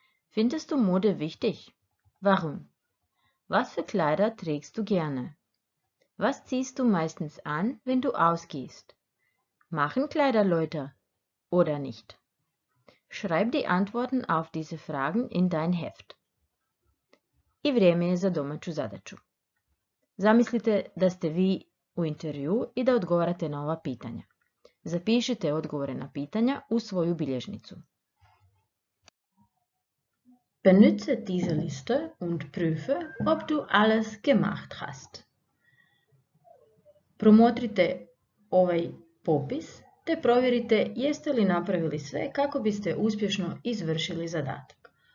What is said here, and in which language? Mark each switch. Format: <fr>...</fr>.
<de>Findest du Mode wichtig? Warum? Was für Kleider trägst du gerne? Was ziehst du meistens an, wenn du ausgehst? Machen Kleider Leute oder nicht? Schreib die Antworten auf diese Fragen in dein Heft.</de> <hr>I vrijeme je za domaću zadaću. Zamislite da ste vi u intervju i da odgovarate na ova pitanja. Zapišite odgovore na pitanja u svoju bilježnicu.</hr> <de>Benutze diese Liste und prüfe, ob du alles gemacht hast.</de> <hr>Promotrite ovaj popis te provjerite jeste li napravili sve kako biste uspješno izvršili zadatak.</hr>